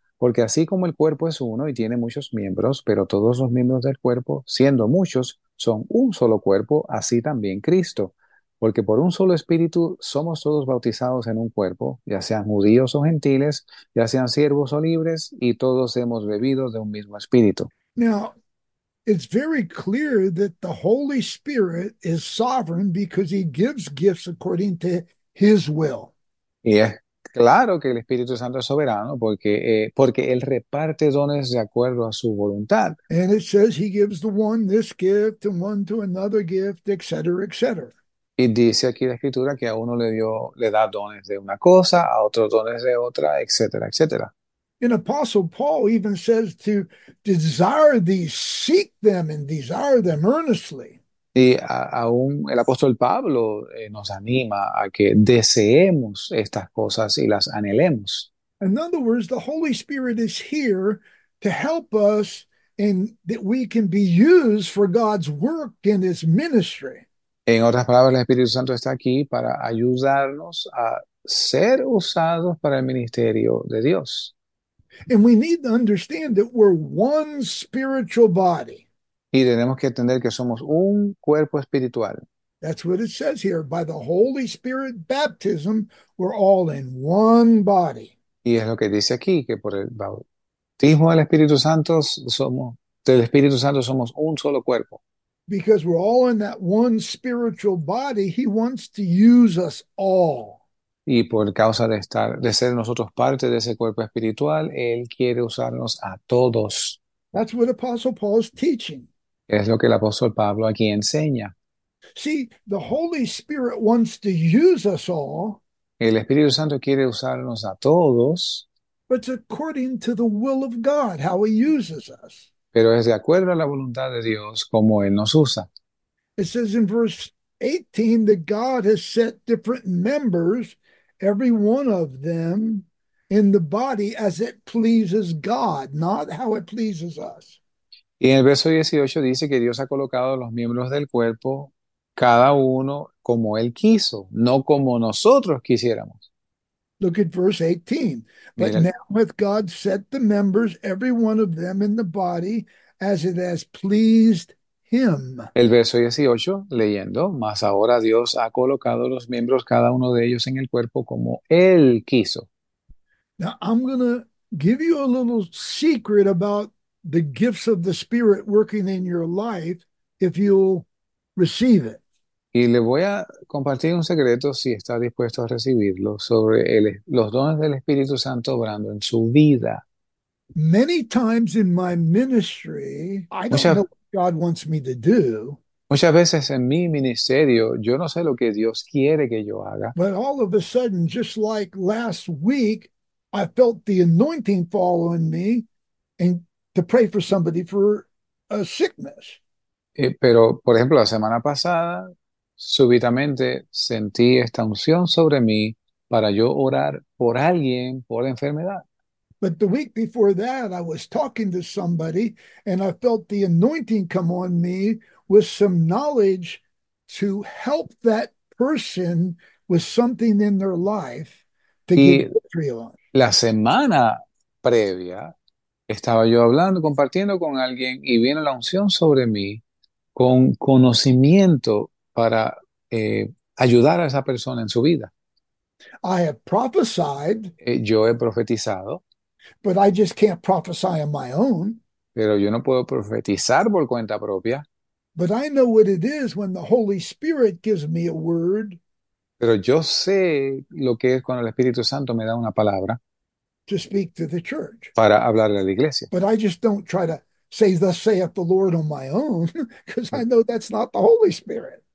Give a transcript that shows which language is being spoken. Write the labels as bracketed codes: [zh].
[es] Porque así como el cuerpo es uno y tiene muchos miembros, pero todos los miembros del cuerpo, siendo muchos, son un solo cuerpo, así también Cristo. Porque por un solo Espíritu somos todos bautizados en un cuerpo, ya sean judíos o gentiles, ya sean siervos o libres, y todos hemos bebido de un mismo Espíritu. [en] Now, it's very clear that the Holy Spirit is sovereign because he gives gifts according to his will. [es] Y es claro que el Espíritu Santo es soberano porque él reparte dones de acuerdo a su voluntad. [en] And it says he gives the one this gift and one to another gift, etc., etc. [es] Y dice aquí la Escritura que a uno le da dones de una cosa, a otro dones de otra, etcétera, etcétera. [en] And Apostle Paul even says to desire these, seek them and desire them earnestly. [es] Y aún el apóstol Pablo nos anima a que deseemos estas cosas y las anhelemos. [en] In other words, the Holy Spirit is here to help us and that we can be used for God's work and his ministry. [es] En otras palabras, el Espíritu Santo está aquí para ayudarnos a ser usados para el ministerio de Dios. [en] And we need to understand that we're one spiritual body. [es] Y tenemos que entender que somos un cuerpo espiritual. [en] That's what it says here. By the Holy Spirit baptism, we're all in one body. [es] Y es lo que dice aquí, que por el bautismo del Espíritu Santo somos un solo cuerpo. [en] Because we're all in that one spiritual body, he wants to use us all. [es] Y por causa de ser nosotros parte de ese cuerpo espiritual, Él quiere usarnos a todos. [en] That's what Apostle Paul is teaching. [es] Es lo que el apóstol Pablo aquí enseña. [en] See, the Holy Spirit wants to use us all. [es] El Espíritu Santo quiere usarnos a todos. [en] But it's according to the will of God, how he uses us. [es] Pero es de acuerdo a la voluntad de Dios como Él nos usa. [en] It says in verse 18 that God has set different members, every one of them, in the body as it pleases God, not how it pleases us. [es] Y en el verso 18 dice que Dios ha colocado a los miembros del cuerpo, cada uno como Él quiso, no como nosotros quisiéramos. [en] Look at verse 18. But [es] Miren. [en] Now hath God set the members, every one of them, in the body as it has pleased Him. [es] El verso 18, leyendo, mas ahora Dios ha colocado los miembros, cada uno de ellos en el cuerpo como Él quiso. [en] Now, I'm going to give you a little secret about the gifts of the Spirit working in your life if you'll receive it. [es] Y le voy a compartir un secreto, si está dispuesto a recibirlo, sobre los dones del Espíritu Santo obrando en su vida. [en] Many times in my ministry, I don't know God wants me to do. [es] Muchas veces en mi ministerio, yo no sé lo que Dios quiere que yo haga. [en] But all of a sudden, just like last week, I felt the anointing following me and to pray for somebody for a sickness. [es] Pero, por ejemplo, la semana pasada, súbitamente sentí esta unción sobre mí para yo orar por alguien por enfermedad. [en] But the week before that, I was talking to somebody and I felt the anointing come on me with some knowledge to help that person with something in their life. to give [es] Y [en] victory on. [es] la semana previa estaba yo hablando, compartiendo con alguien y vino la unción sobre mí con conocimiento para ayudar a esa persona en su vida. [en] I have prophesied, [es] Yo he profetizado, [en] but I just can't prophesy on my own. [es] pero yo no puedo profetizar por cuenta propia. [en] But I know what it is when the Holy Spirit gives me a word [es] Pero yo sé lo que es cuando el Espíritu Santo me da una palabra [en] to speak to the church. [es] para hablarle a la iglesia. [en] But I just don't try to say, thus saith the Lord on my own, because I know that's not the Holy Spirit.